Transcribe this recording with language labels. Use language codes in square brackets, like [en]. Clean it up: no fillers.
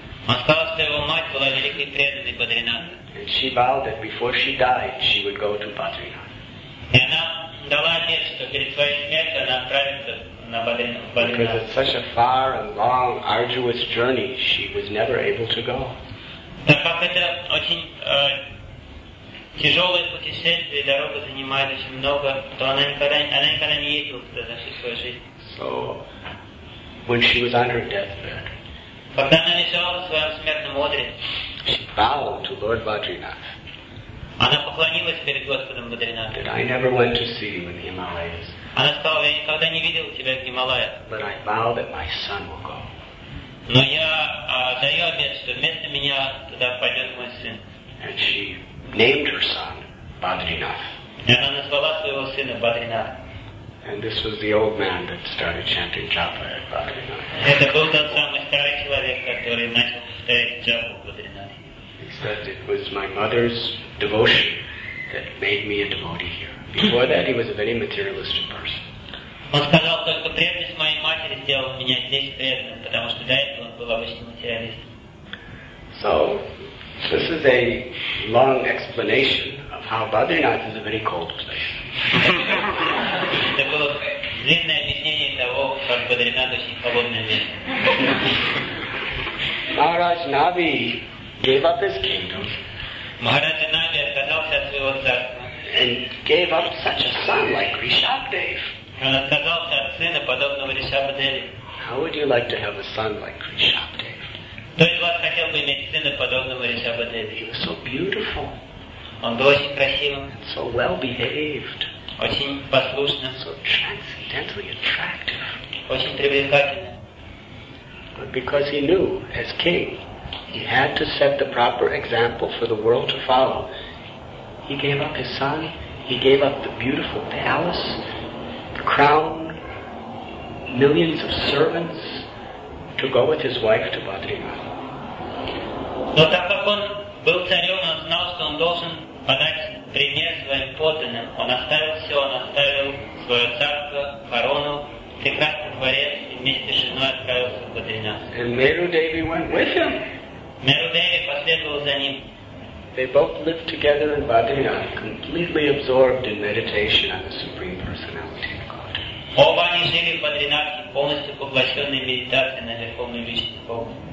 [en] And she vowed that before she died, she would go to Badrinath. Because it's such a far and long, arduous journey, she was never able to go. [ru] Так как это очень тяжелое путешествие, дорога занимает очень много, то она никогда не ездила туда за всю свою жизнь. [en] So, when she was on her deathbed, [ru] когда она лежала в своем смертном одре, [en] she bowed to Lord Badrinath, [ru] она поклонилась перед Господом Бадринатом. [en] That I never went to see you in the Himalayas. [ru] Она сказала, я никогда не видел тебя в Гималаях. [en] But I vow that my son will go. [ru] Но я даю обет, что вместо меня туда пойдет мой сын. [en] And she named her son Badrinath. [ru] И она назвала своего сына Бадринат. [en] And this was the old man that started chanting Japa at Badrinath. [ru] Это был тот самый старый человек, который начал повторять Джапу Бадринате. [en] He said it was my mother's devotion that made me a devotee here. Before that, he was a very materialistic person. [ru] Он сказал, только преданность моей матери сделала меня здесь преданным, потому что до этого он был обычным материалистом. [en] So, this is a long explanation of how Badrinath is a very cold place. [ru] Это было длинное объяснение того, как Бадринатх очень холодное место. [en] Maharaj Navi gave up his kingdom. [ru] Maharaj Navi отказался от своего царства. [en] And gave up such a son like Rishabhdev. [ru] Он отказался от сына, подобного Ришабхадеве. [en] How would you like to have a son like Ришабхадев? [ru] Кто из вас хотел бы иметь сына, подобного Ришабхадеве? [en] He was so beautiful. [ru] Он был очень красивым. [en] And so well behaved. [ru] Очень послушным. [en] So transcendentally attractive. [ru] Очень привлекательным. [en] But because he knew, as king, he had to set the proper example for the world to follow. He gave up his son, he gave up the beautiful palace, the crown, millions of servants, to go with his wife to Badrinath. [ru] Но так как он был царем, он знал, что он должен подать пример своим подданным. Он оставил все, он оставил свое царство, корону, прекрасный дворец, и вместе с женой отправился в Бадринат. [en] And Meru Devi went with him. [ru] Meru Devi последовал за ним. [en] They both lived together in Badrinath, completely absorbed in meditation on the Supreme Personality of God. [ru] Оба они жили в Бадринате, полностью поглощенные медитацией на Верховную Личность Бога.